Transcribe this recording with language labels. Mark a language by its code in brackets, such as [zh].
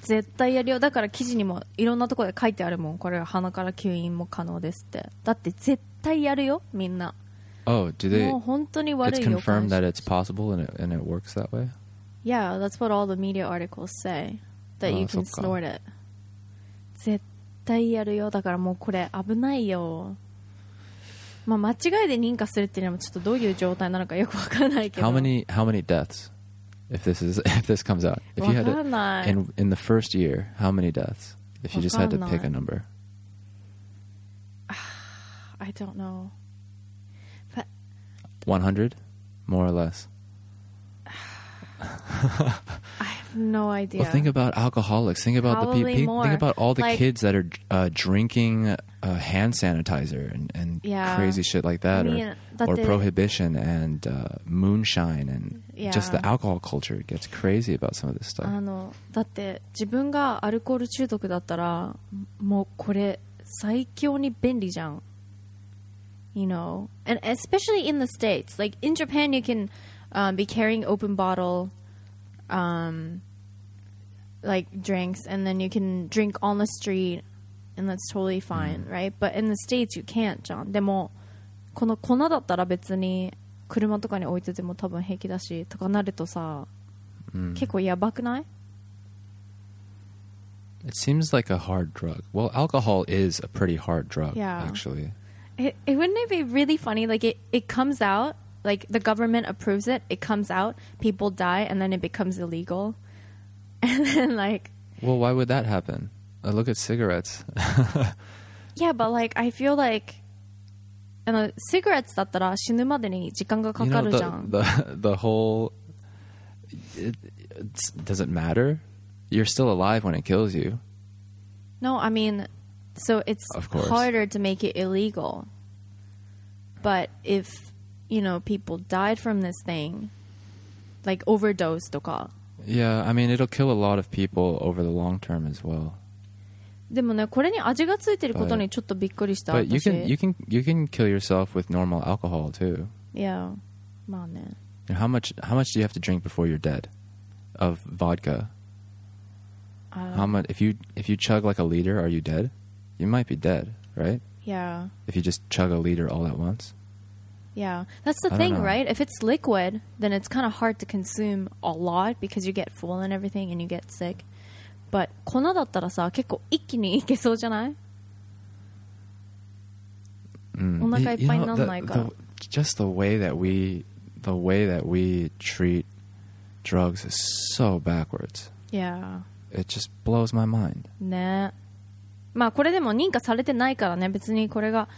[ja] 絶対やるよ。だから記事にもいろんなところで書いてあるもん。これは鼻から吸引も可能ですって。だって絶対やるよ、みんな。 [en] Oh, do they? [ja] もう本当に悪い予感。 [en] It's confirmed that it's possible and it works that way? Yeah, that's what all the media articles say. That you can snort it. [ja] 絶対やるよ。だからもうこれ危ないよ。まあ間違いで認可するっていうのもちょっとどういう状態なのかよくわからないけど。 [en] How many deaths if this comes out? If you had it in the first year, how many deaths? If you just had to pick a number. I don't know. 100? More or less? I have no idea. Well, think about alcoholics. Think about kids that are drinking hand sanitizer and yeah. crazy shit like that. Or prohibition and moonshine and yeah. just the alcohol culture gets crazy about some of this stuff. [ja] だって自分がアルコール中毒だったらもうこれ最強に便利じゃん。 [en] You know, and especially in the States, like in Japan, you can be carrying open bottle, like drinks, and then you can drink on the street, and that's totally fine, right? But in the States, you can't, John. [ja] でもこの粉だったら別に車とかに置いてても多分平気だしとかなるとさ、結構やばくない？ [en] It seems like a hard drug. Well, alcohol is a pretty hard drug, yeah. actually. It wouldn't it be really funny? Like it comes out, like the government approves it. It comes out, people die, and then it becomes illegal. And then like, well, why would that happen? I look at cigarettes. yeah, but like I feel like, and cigarettes [ja] だったら死ぬまでに時間がかかるじゃん。 [en] The whole, does it matter? You're still alive when it kills you. No, I mean. So it's harder to make it illegal. But if, you know, people died from this thing, like overdose とか. Yeah, I mean, it'll kill a lot of people over the long term as well. [ja] でもね、これに味がついてることにちょっとびっくりした。 [en] But you can kill yourself with normal alcohol too. Yeah, [ja] まあね。 [en] How much do you have to drink before you're dead of vodka? If you chug like a liter, are you dead? You might be dead, right? Yeah. If you just chug a liter all at once. Yeah. That's the thing, right? If it's liquid, then it's kind of hard to consume a lot because you get full and everything and you get sick. But [ja] 粉だったらさ、結構一気にいけそうじゃない? Mm. お腹いっぱいになんないから。 [en] Just the way that we... the way that we treat drugs is so backwards. Yeah. It just blows my mind. [ja] ね。まあこれでも認可されてないからね。別にこれが。